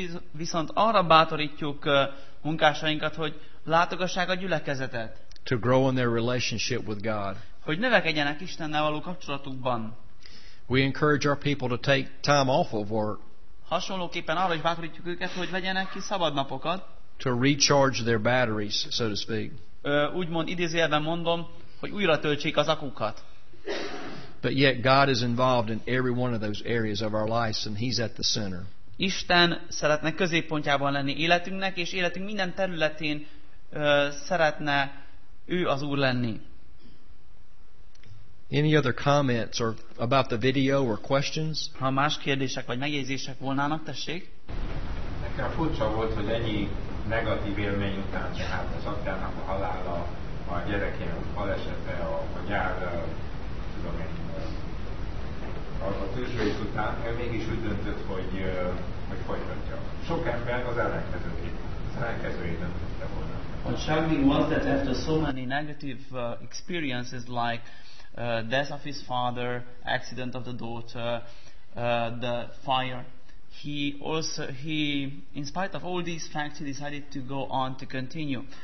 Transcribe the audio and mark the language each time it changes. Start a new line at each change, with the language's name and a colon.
Hungarian: Viszont arra bátorítjuk munkásainkat, hogy látogassák a gyülekezetet.
English: To grow in their relationship with God.
Hungarian: Hogy növekedjenek Istennel való kapcsolatukban.
English: We encourage our people to take time off of work.
Hungarian: Hasonlóképpen arra is bátorítjuk őket, hogy vegyenek ki szabadnapokat.
English: To recharge their batteries, so to speak.
Hungarian: Úgymond idézőjelben mondom, hogy újra töltsék az akukat.
English: But yet God is involved in every one of those areas of our lives, and He's at the center.
Hungarian: Isten szeretne középpontjában lenni életünknek, és életünk minden területén szeretne ő az Úr lenni.
English: Any other comments or about the video or questions?
Hungarian: Ha más kérdések vagy megjegyzések volnának, tessék. Nekem furcsa volt, hogy ennyi negatív élmény után, tehát az apjának a halála, a gyerekének balesete, a gyár, tudom én, a tűzsvét után, ő mégis úgy döntött, hogy folytatja. Sok ember az ellenkezőjét döntötte volna.
English: What shocking was that after so many negative experiences like death of his father, accident of the daughter, the fire. He, in spite of all these facts, he decided to go on to continue.